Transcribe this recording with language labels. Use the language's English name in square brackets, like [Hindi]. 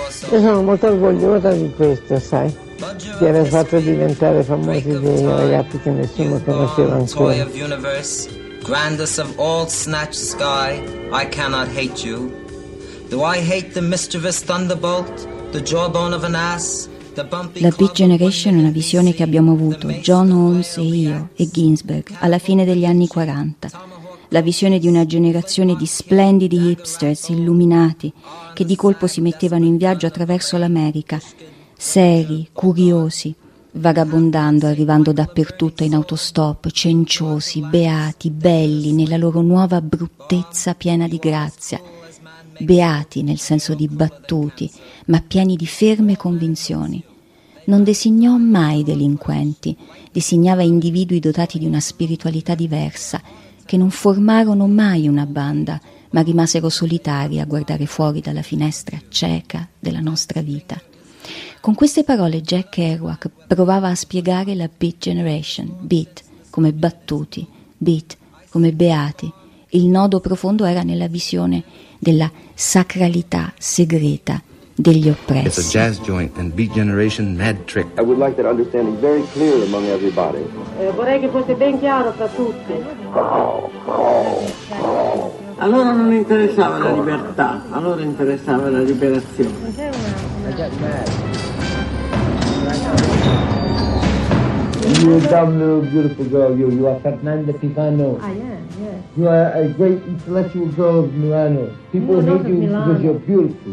[Italian] Io sono molto orgogliosa di questo, sai, di aver fatto diventare famosi dei ragazzi che nessuno conosceva ancora. [English] Grandest of all snatched sky, I cannot hate you. Do I hate the mischievous thunderbolt, the jawbone of an ass? [Italian] La Beat Generation è una visione che abbiamo avuto, John Holmes e io, e Ginsberg, alla fine degli anni 40. La visione di una generazione di splendidi hipsters illuminati che di colpo si mettevano in viaggio attraverso l'America, seri, curiosi, vagabondando, arrivando dappertutto in autostop, cenciosi, beati, belli, nella loro nuova bruttezza piena di grazia. Beati nel senso di battuti, ma pieni di ferme convinzioni. Non designò mai delinquenti, designava individui dotati di una spiritualità diversa, che non formarono mai una banda, ma rimasero solitari a guardare fuori dalla finestra cieca della nostra vita. Con queste parole Jack Kerouac provava a spiegare la Beat Generation, beat come battuti, beat come beati. Il nodo profondo era nella visione della sacralità segreta degli oppressi. [English] It's a jazz joint and Beat Generation mad trick. I would like that understanding very clear among everybody. [Italian] Vorrei che fosse ben chiaro tra tutti. Allora non interessava la libertà, allora interessava la liberazione. [English] You are a damn beautiful girl, you. You are Fernanda Pisano. I am, yes. You are a great intellectual girl of Milano. People no, hate you Milano. Because you're beautiful.